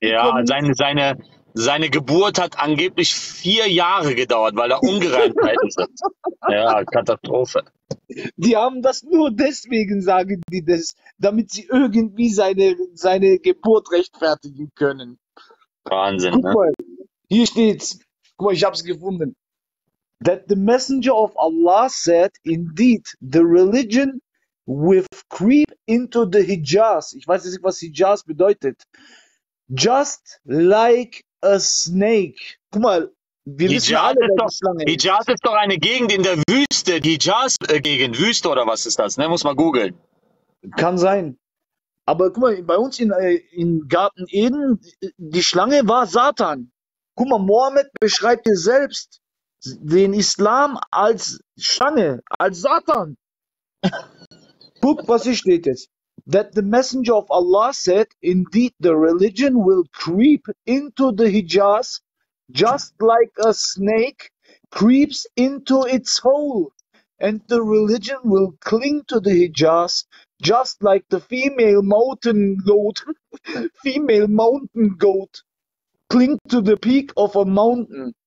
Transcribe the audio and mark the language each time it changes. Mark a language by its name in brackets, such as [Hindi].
[German] gekommen. Ja, seine Geburt hat angeblich 4 Jahre gedauert, weil da Ungereimtheiten sind. Ja, Katastrophe. Die haben das nur deswegen, sagen die das, damit sie irgendwie seine Geburt rechtfertigen können. Wahnsinn, guck mal, ne? Hier steht's. Guck mal, ich hab's gefunden. [English] That the messenger of Allah said, indeed, the religion with creep into the Hijaz. [German] Ich weiß jetzt nicht, was Hijaz bedeutet. [English] Just like a snake. [German] Guck mal, Wir wissen alle, dass das lange nicht. Hijaz ist doch eine Gegend in der Wüste. Hijaz-Gegend, Wüste oder was ist das? Ne? Muss man googeln. Kann sein. Aber guck mal, bei uns in Garten Eden, die Schlange war Satan. Guck mal, Mohammed beschreibt dir selbst den Islam als Schlange, als Satan. Guck, was hier steht jetzt. [English] That the messenger of Allah said, indeed the religion will creep into the Hijaz, just like a snake creeps into its hole. And the religion will cling to the Hijaz, just like the female mountain goat, female mountain goat, cling to the peak of a mountain.